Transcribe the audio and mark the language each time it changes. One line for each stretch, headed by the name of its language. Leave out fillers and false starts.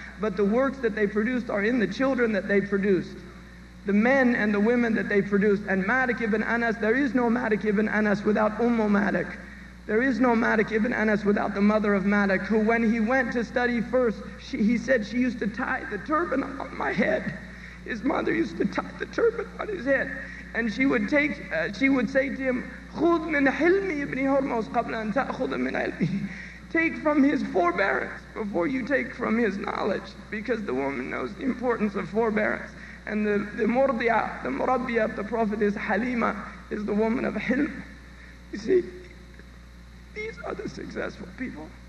English: But the works that they produced are in the children that they produced, the men and the women that they produced. And Malik ibn Anas, there is no Malik ibn Anas without Ummu Malik. There is no Malik ibn Anas without the mother of Malik, who when he went to study first, he said she used to tie the turban on my head. His mother used to tie the turban on his head. And she would take, she would say to him,
Arabic: خُذْ مِنْ حِلْمِ ابْنِ هُرْمُوسِ قَبْلَ أَنْ تَأْخُذَ مِنْ عِلْمِ.
English: Take from his forbearance before you take from his knowledge, because the woman knows the importance of forbearance. And the murdi'a, the murabbiya of the Prophet is Halima, is the woman of Hilm. You see, these are the successful people.